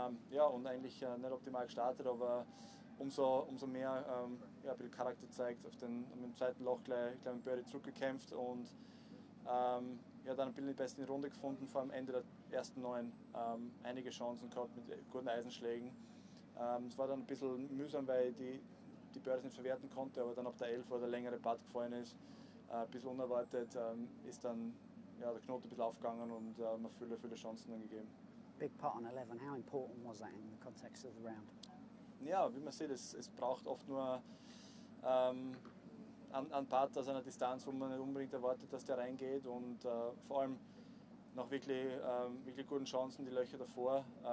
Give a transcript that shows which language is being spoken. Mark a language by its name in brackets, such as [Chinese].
[German] Ja, und eigentlich nicht optimal gestartet, aber umso mehr ein bisschen Charakter zeigt, mit dem zweiten Loch gleich mit Birdie zurückgekämpft und dann ein bisschen die beste Runde gefunden, vor allem Ende der ersten neun einige Chancen gehabt mit guten Eisenschlägen. Es war dann ein bisschen mühsam, weil ich die Birdies nicht verwerten konnte, aber dann ab der 11 oder längere Putt gefallen ist, ein bisschen unerwartet, ist dann ja, der Knoten ein bisschen aufgegangen und mir viele Chancen dann gegeben. [English] Big putt on 11, how important was that in the context of the round? [German] Ja, wie man sieht, es braucht oft nur ein Putt aus einer Distanz, wo man nicht unbedingt erwartet, dass der reingeht, und vor allem noch wirklich, wirklich guten Chancen, die Löcher davor.